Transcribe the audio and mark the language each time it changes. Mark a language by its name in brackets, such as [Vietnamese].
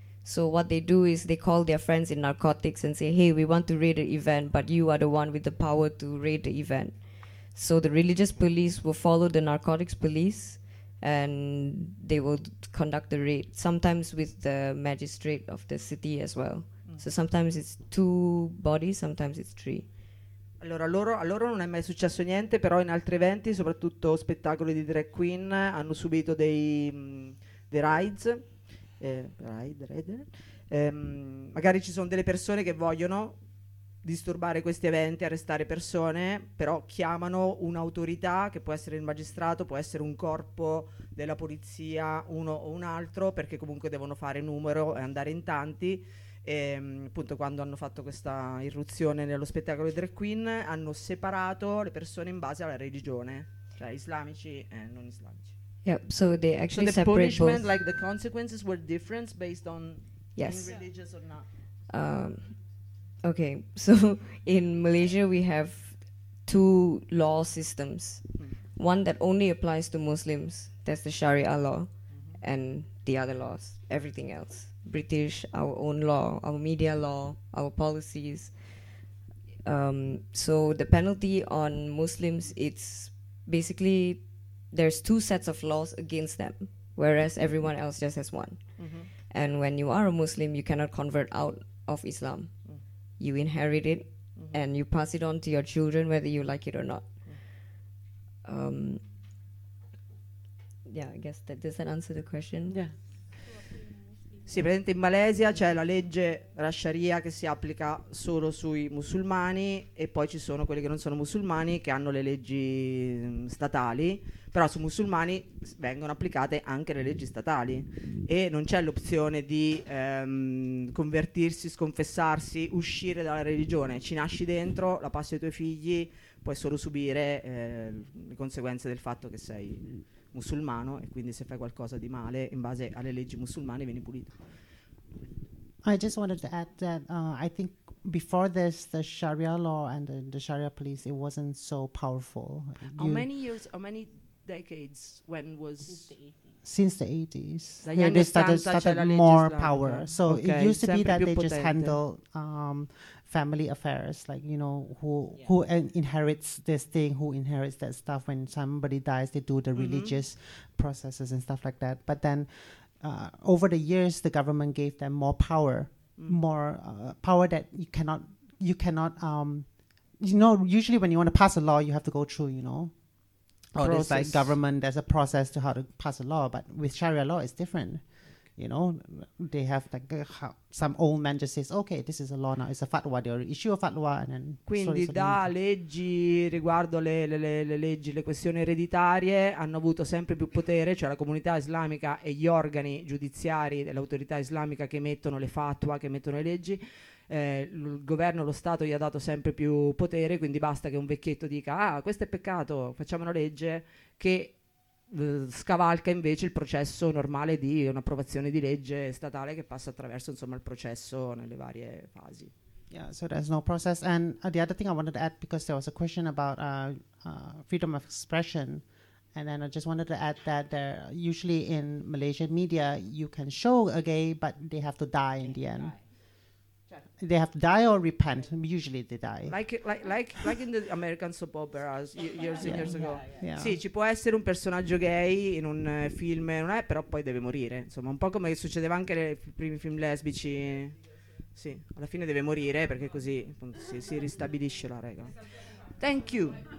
[English] So what they do is they call their friends in narcotics and say, "Hey, we want to raid an event, but you are the one with the power to raid the event." So the religious police will follow the narcotics police, and they will conduct the raid. Sometimes with the magistrate of the city as well. So sometimes it's 2 bodies, sometimes it's 3. [Italian] Allora, a loro non è mai successo niente, però in altri eventi, soprattutto spettacoli di drag queen, hanno subito dei rides. Magari ci sono delle persone che vogliono disturbare questi eventi, arrestare persone, però chiamano un'autorità, che può essere il magistrato, può essere un corpo della polizia, uno o un altro, perché comunque devono fare numero e andare in tanti. E, appunto, quando hanno fatto questa irruzione nello spettacolo di drag queen, hanno separato le persone in base alla religione, cioè islamici e non islamici. [English] Yep, so they actually so the separate punishment both. Like the consequences were different based on religious or not. Okay, so in Malaysia we have 2 law systems. One that only applies to Muslims, that's the Sharia law, and the other laws, everything else. British, our own law, our media law, our policies. So the penalty on Muslims, it's basically there's 2 sets of laws against them, whereas everyone else just has 1. And when you are a Muslim, you cannot convert out of Islam. You inherit it and you pass it on to your children whether you like it or not. I guess that does that answer the question. Yeah. [Italian] Sì, presente in Malesia c'è la legge la Sharia, che si applica solo sui musulmani, e poi ci sono quelli che non sono musulmani che hanno le leggi statali, però su musulmani vengono applicate anche le leggi statali e non c'è l'opzione di convertirsi, sconfessarsi, uscire dalla religione. Ci nasci dentro, la passi ai tuoi figli, puoi solo subire le conseguenze del fatto che sei musulmano e quindi se fai qualcosa di male in base alle leggi musulmane vieni pulito. [English] I just wanted to add that I think before this, the Sharia law and the Sharia police, it wasn't so powerful. How many decades? When was since the 80s? They started more power. So okay. It used to be that they just handle family affairs, like you know who inherits this thing, who inherits that stuff. When somebody dies, they do the religious processes and stuff like that. But then. Over the years, the government gave them more power, more power that you cannot, usually when you want to pass a law, you have to go through, you know, or there's like government, there's a process to how to pass a law, but with Sharia law, it's different. You know, they have like some old man just says, okay, this is a law now. It's a fatwa. They issue a fatwa and then. [Italian] Quindi leggi riguardo le leggi, le questioni ereditarie hanno avuto sempre più potere. Cioè la comunità islamica e gli organi giudiziari dell'autorità islamica che emettono le fatwa, che emettono le leggi. Il governo, lo Stato gli ha dato sempre più potere. Quindi basta che un vecchietto dica, ah, questo è peccato, facciamo una legge che scavalca invece il processo normale di un'approvazione di legge statale che passa attraverso insomma il processo nelle varie fasi. [English] Yeah, so there's no process. And the other thing I wanted to add, because there was a question about freedom of expression, and then I just wanted to add that there usually in Malaysian media you can show a gay but they have to die in the end. They have to die or repent. Usually they die. Like in the American soap operas years ago. Yeah, yeah. [Italian] Yeah. Sì, ci può essere un personaggio gay in un film, non è, però poi deve morire. Insomma, un po' come succedeva anche nei primi film lesbici. Sì, alla fine deve morire perché così appunto, si ristabilisce la regola. [English] Thank you.